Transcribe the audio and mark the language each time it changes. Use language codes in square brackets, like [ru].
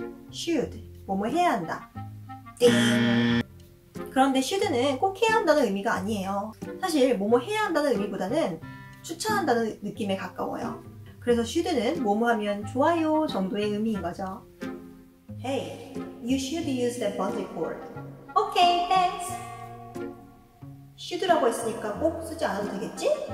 [ko] 슈드, 뭐뭐 해야 한다. 그런데 슈드는 꼭 해야 한다는 의미가 아니에요. 사실 뭐뭐 해야 한다는 의미보다는 추천한다는 느낌에 가까워요. 그래서 슈드는 뭐뭐 하면 좋아요 정도의 의미인 거죠. [en] Hey, you should use that bungee cord. Okay, thanks. [ko] Should라고 했으니까 꼭 쓰지 않아도 되겠지?